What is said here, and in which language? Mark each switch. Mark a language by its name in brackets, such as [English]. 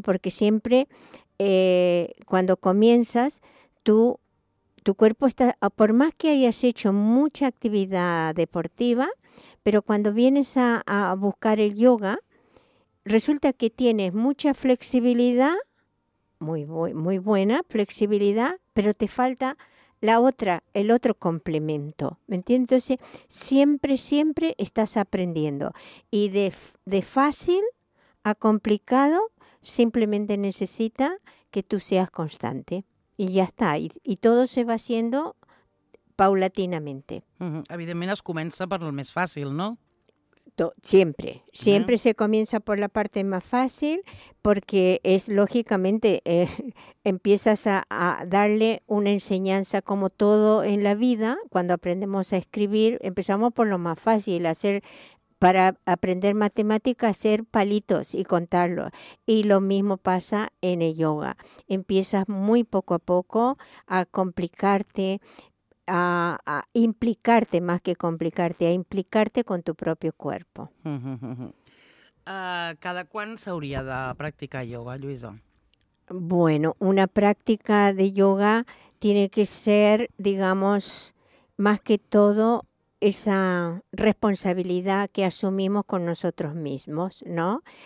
[Spanish] Porque siempre cuando comienzas, tu cuerpo está, por más que hayas hecho mucha actividad deportiva, pero cuando vienes a buscar el yoga, resulta que tienes mucha flexibilidad, muy, muy buena flexibilidad, pero te falta el otro complemento, ¿me entiendes? Entonces, siempre, siempre estás aprendiendo. Y de fácil a complicado, simplemente necesita que tú seas constante. Y ya está. Y todo se va haciendo paulatinamente. [Catalan] Evidentment, es comença per el més fácil, ¿no? [Spanish] Siempre se comienza por la parte más fácil, porque es lógicamente, empiezas a darle una enseñanza como todo en la vida. Cuando aprendemos a escribir, empezamos por lo más fácil, para aprender matemática, hacer palitos y contarlos. Y lo mismo pasa en el yoga. Empiezas muy poco a poco a complicarte, a implicarte, más que complicarte, a implicarte con tu propio cuerpo. [Catalan] ¿Cada quant s'hauria de practicar yoga, Lluïsa? [Spanish] Bueno, una práctica de yoga tiene que ser, digamos, más que todo esa responsabilidad que asumimos con nosotros mismos, ¿no?